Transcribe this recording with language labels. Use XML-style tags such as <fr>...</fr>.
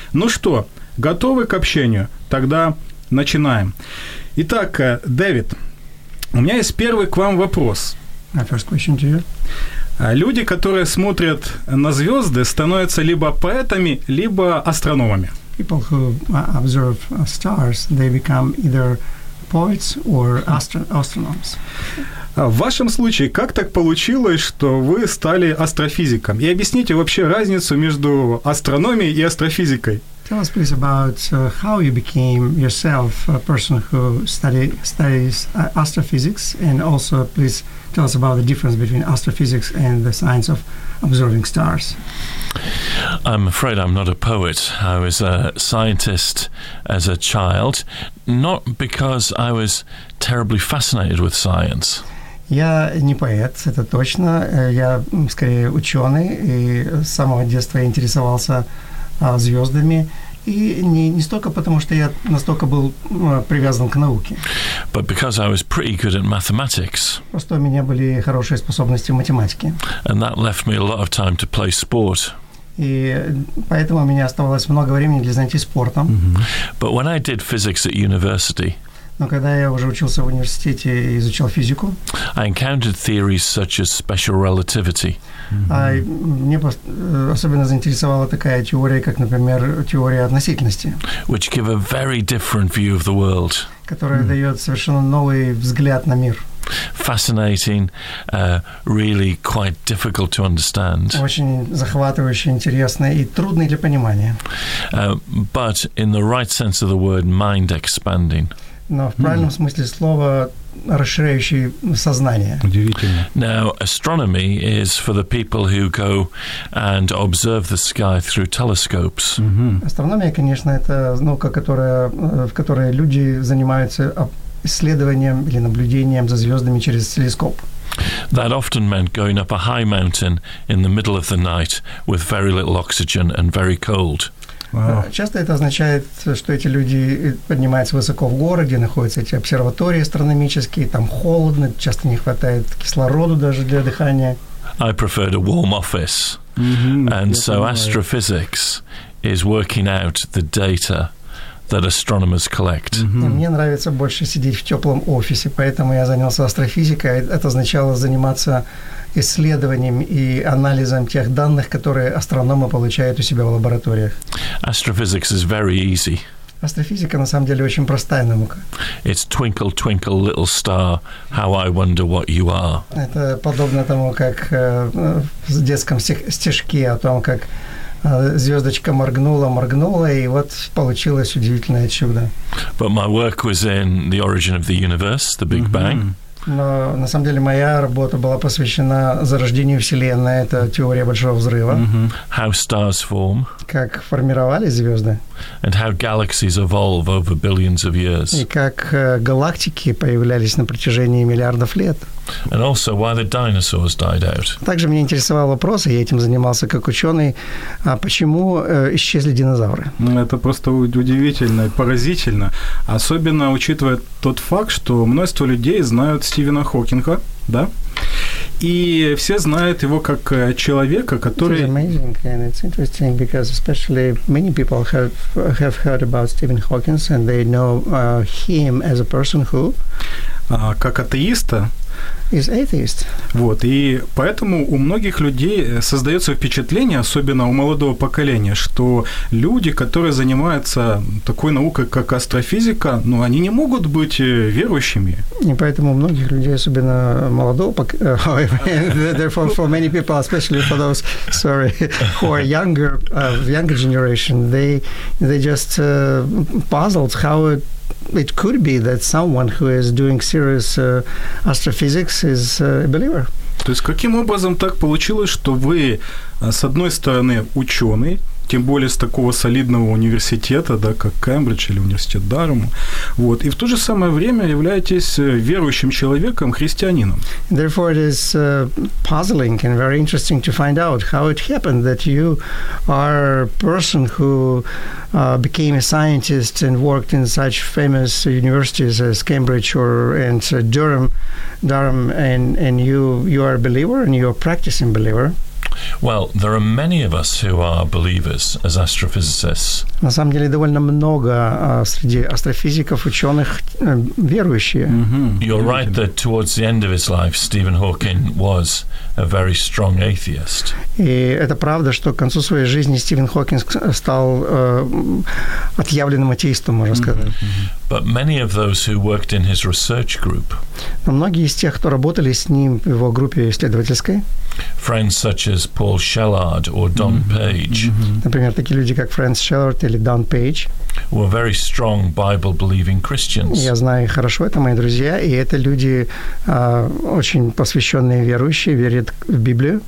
<ru>Ну что, готовы к общению? Тогда начинаем. Итак, Дэвид, у меня есть первый к вам вопрос.</ru> <en>My first question to you.</en> <ru>Люди, которые смотрят на звезды, становятся либо поэтами, либо астрономами.</ru> <en>People who observe stars, they become either poets or astronomers.</en> <ru>В вашем случае, как так получилось, что вы стали астрофизиком? И объясните вообще разницу между астрономией и астрофизикой.</ru> <en>Tell us, please, about how you became yourself a person who studies astrophysics, and also, please, tell us about the difference between astrophysics and the science of observing stars. I'm afraid I'm not a poet. I was a scientist as a child, not because I was terribly fascinated with science.</en> <ru>Я не поэт, это точно. Я скорее ученый, и с самого детства интересовался звездами. И не столько потому, что я настолько был привязан к науке.</ru> <en>But because I was pretty good at mathematics.</en> <ru>Просто у меня были хорошие способности в математике.</ru> <en>And that left me a lot of time to play sport.</en> <ru>И поэтому у меня оставалось много времени для занятий спортом.</ru> <en>But when I did physics at university.</en> <ru>Но когда я уже учился в университете и изучал физику,</ru> <en>I encountered theories such as special relativity.</en> <ru>Мне особенно заинтересовала такая теория, как, например, теория относительности,</ru> <en>which give a very different view of the world.</en> <ru>Которая дает совершенно новый взгляд на мир.</ru> <en>Fascinating, really quite difficult to understand.</en> <ru>Очень захватывающий, интересный и трудный для понимания.</ru> <en>But in the right sense of the word, mind expanding.</en> <ru>Но в правильном смысле слова расширяющий сознание. Удивительно.</ru> <en>Now, astronomy is for the people who go and observe the sky through telescopes.</en> <ru>Астрономия, конечно, это наука, в которой люди занимаются исследованием или наблюдением за звездами через телескоп.</ru> <en>That often meant going up a high mountain in the middle of the night with very little oxygen and very cold. Wow.</en> <ru>Часто это означает, что эти люди поднимаются высоко в горы, где находятся эти обсерватории астрономические, там холодно, часто не хватает кислорода даже для дыхания.</ru> <en>I preferred a warm office. And so astrophysics is working out the data that astronomers collect.</en> <ru>Мне нравится больше сидеть в теплом офисе, поэтому я занялся астрофизикой. Это означало заниматься исследованием и анализом тех данных, которые астрономы получают у себя в лабораториях.</ru> <en>Astrophysics is very easy.</en> <ru>Астрофизика на самом деле очень простая наука.</ru> <en>It's twinkle, twinkle, little star, how I wonder what you are.</en> <ru>Это подобно тому, как в детском стишке о том, как звездочка моргнула, и вот получилось удивительное чудо.</ru> <en>But my work was in the origin of the universe, the Big Bang.</en> <ru>Но на самом деле моя работа была посвящена зарождению Вселенной, это теория Большого Взрыва.</ru> <en>How stars form.</en> <ru>Как формировались звезды.</ru> <en>And how galaxies evolve over billions of years.</en> <ru>И как галактики появлялись на протяжении миллиардов лет.</ru> <en>And also why the dinosaurs died out.</en> <ru>Также меня интересовал вопрос, и я этим занимался как ученый, а почему исчезли динозавры? Это просто удивительно, поразительно, особенно учитывая тот факт, что множество людей знают Стивена Хокинга, да? И все знают его как человека, который...</ru> <en>It's amazing, and it's interesting, because especially many people have heard about Stephen Hawking, and they know him as a person who...</en> <ru>Как атеиста.</ru> <en>Is atheist.</en> <ru>Вот, и поэтому у многих людей создается впечатление, особенно у молодого поколения, что люди, которые занимаются такой наукой, как астрофизика, ну, они не могут быть верующими. И поэтому у многих людей, особенно молодого поколения,</ru> <en>therefore, for many people, especially for those, sorry, who are younger, of younger generation, they just puzzled how it could be that someone who is doing serious astrophysics is a believer.</en> <ru>То есть каким образом так получилось, что вы с одной стороны ученый, тем более с такого солидного университета, да, как Кембридж или университет Дарума, вот, и в то же самое время являетесь верующим человеком, христианином.</ru> <en>Therefore, it is puzzling and very interesting to find out how it happened that you are a person who became a scientist and worked in such famous universities as Cambridge or and Durham, and you are a believer and you are a practicing believer. Well, there are many of us who are believers as astrophysicists.</en> <ru>На самом деле довольно много среди астрофизиков, ученых, верующие.</ru> <en>You're right that towards the end of his life, Stephen Hawking was a very strong atheist.</en> <ru>И это правда, что к концу своей жизни Стивен Хокинг стал отъявленным атеистом, можно сказать.</ru> <en>But many of those who worked in his research group.</en> <ru>Но многие из тех, кто работали с ним в его группе исследовательской.</ru> <en>Friends such as Paul Shelard or Don Page.</en> <ru>Например, такие люди как Фрэнс Шеллард или Дон Пейдж.</ru> <en>Were very strong Bible-believing Christians.</en> <ru>Я знаю их хорошо, это мои друзья, и это люди очень посвященные верующие, верят в Библию.</ru>